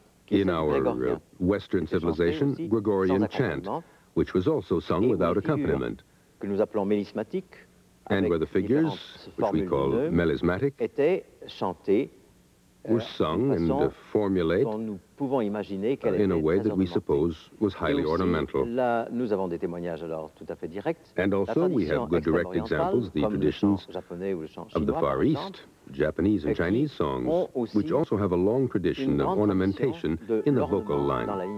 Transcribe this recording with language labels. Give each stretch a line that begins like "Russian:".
English: In our Western civilization, Gregorian chant, which was also sung without accompaniment, and where the figures, which we call melismatic, were sung and formulated in a way that we suppose was highly ornamental.
French: Là, nous avons des témoignages alors tout à fait directs.
English: And also we have good direct examples, the traditions of the Far East, Japanese and Chinese songs, which also have a long tradition of ornamentation in the vocal line.